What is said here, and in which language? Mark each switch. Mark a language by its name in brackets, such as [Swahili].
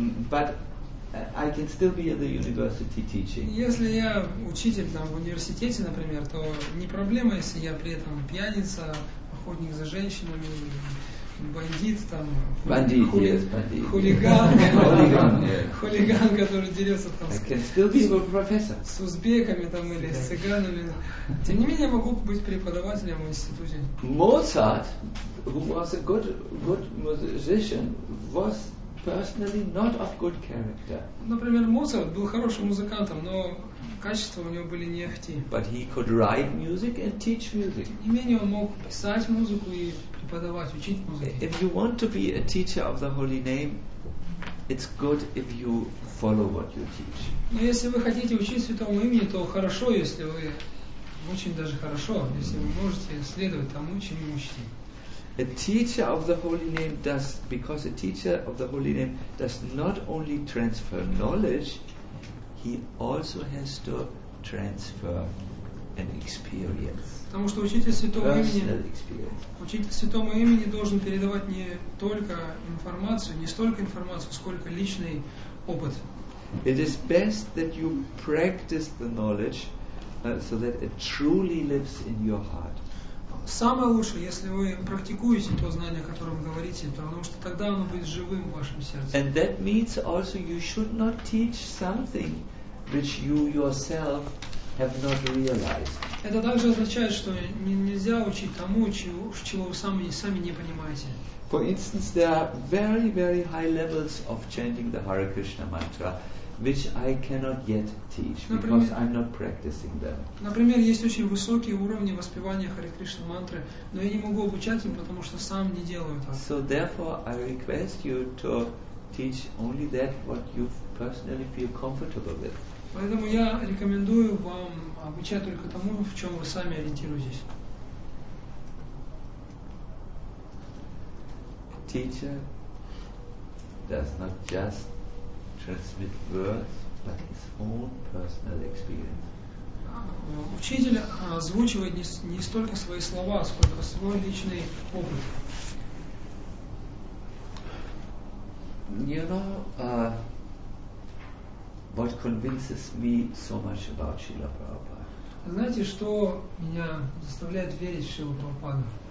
[English] But I can still be at the university teaching. [Russian] Если я учитель там в университете, например, то не проблема, если я при этом пьяница, охотник за женщинами, бандит там. Бандит, yes, бандит. Хулиган. Хулиган, хулиган, который дерется там. [English] I can still be a professor. [Russian] С узбеками там или с цыганами. Тем не менее, я могу быть преподавателем в институте. [English] Моцарт, who was a good musician, was personally not of good character. [Russian] Например, Моцарт был хорошим музыкантом, но качества у него были не ахти. [English] But he could write music and teach music. [Russian] Тем не менее, он мог писать музыку и преподавать, учить музыку. [English] If you want to be a teacher of the Holy Name, it's good if you follow what you teach. [Russian] Но если вы хотите учить Святому Имени, то хорошо, если вы очень даже хорошо, если вы можете следовать тому, чему учите. [English] A teacher of the Holy Name does, because a teacher of the Holy Name does not only transfer knowledge, he also has to transfer an experience. [Russian] Потому что учитель Святого имени, учитель Святого имени должен передавать не только информацию, не столько информацию, сколько личный опыт. [English] It is best that you practice the knowledge so that it truly lives in your heart. [Russian] Самое лучшее, если вы практикуете то знание, о котором говорите, потому что тогда оно будет живым в вашем сердце. [English] And that means also you should not teach something which you yourself have not realized. [Russian] Это также означает, что нельзя учить тому, чего вы сами не понимаете. [English] For instance, there are very, very high levels of chanting the Hare Krishna mantra, which I cannot yet teach because I'm not practicing them. [Russian] Например, есть очень высокие уровни воспевания Харе Кришна мантры, но я не могу обучать им, потому что сам не делаю так. [English] So therefore, I request you to teach only that what you personally feel comfortable with. [Russian] Поэтому я рекомендую вам обучать только тому, в чем вы сами ориентируетесь. [English] Teacher does not just transmit words, but his own personal experience. [Russian] Учитель озвучивает не столько свои слова, сколько свой личный опыт. [English] You know, what convinces me so much about Srila Prabhupada? [Russian] Знаете, что меня заставляет верить в Шрилу Прабхупаду?